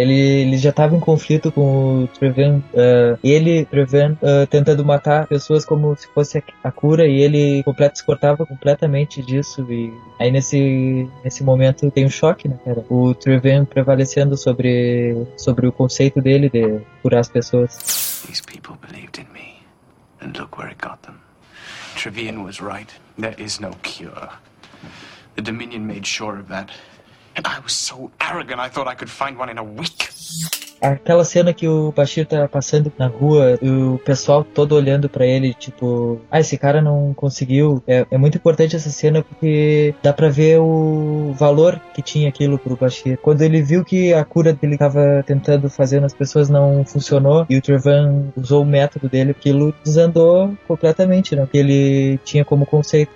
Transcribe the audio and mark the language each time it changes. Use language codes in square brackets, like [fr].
[pt] Ele já tava em conflito com o Trivian. Ele, Trivian, tentando matar pessoas como se fosse a cura, e ele se cortava completamente disso. E aí nesse momento tem um choque, né, cara? O Trivian prevalecendo sobre o conceito dele de curar as pessoas. [en] These people believed in me, and look where it got them. Trivian was right. There is no cure. The Dominion made sure of that. And I was so arrogant, I thought I could find one in a week. [pt] Aquela cena que o Bashir tá passando na rua, o pessoal todo olhando pra ele, tipo, ah, esse cara não conseguiu. É muito importante essa cena, porque dá pra ver o valor que tinha aquilo pro Bashir. Quando ele viu que a cura que ele tava tentando fazer nas pessoas não funcionou, e o Trivian usou o método dele, aquilo desandou completamente, né? O que ele tinha como conceito.